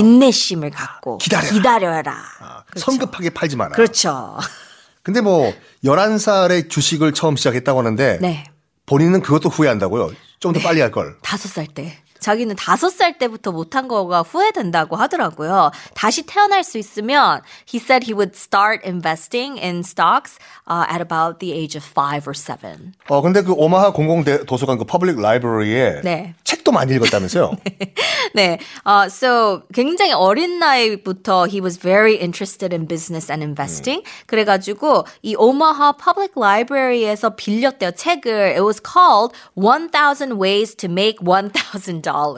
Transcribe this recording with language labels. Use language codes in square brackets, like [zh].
[ko] 인내심을 갖고 기다려라. 기다려라. 아, 그렇죠. 성급하게 팔지 마라. 그렇죠. 근데 뭐 11살에 주식을 처음 시작했다고 하는데 네. 본인은 그것도 후회한다고요. 좀 더 네. 빨리 할 걸. 5살 때. 자기는 5살 때부터 못한 거가 후회된다고 하더라고요. 다시 태어날 수 있으면 [en] he said he would start investing in stocks at about the age of 5 or 7. [ko] 근데 그 오마하 공공도서관 그 퍼블릭 라이브러리에 네. 책도 많이 읽었다면서요. [en] 네. 네. So [ko] 굉장히 어린 나이부터 [en] he was very interested in business and investing. [ko] 그래 가지고 이 오마하 퍼블릭 라이브러리에서 빌렸대요. 책을. [en] It was called 1000 Ways to Make 1000